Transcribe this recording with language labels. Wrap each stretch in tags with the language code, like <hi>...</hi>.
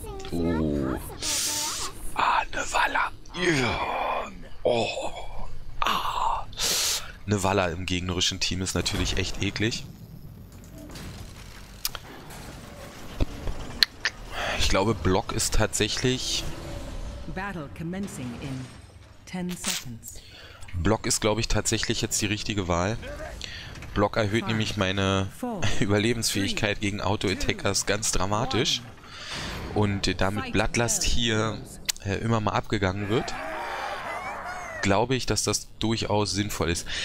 <de>Oh. Ah, ne Walla. Yeah. Oh. Ah. Ne Walla im gegnerischen Team ist natürlich echt eklig. Ich glaube, Block ist tatsächlich.</de> <en>Battle commencing in 10 seconds.</en> <de>Block ist, glaube ich, tatsächlich jetzt die richtige Wahl. Block erhöht nämlich meine Überlebensfähigkeit gegen Auto-Attackers ganz dramatisch. Und damit Bloodlust hier immer mal abgegangen wird, glaube ich, dass das durchaus sinnvoll ist.</de>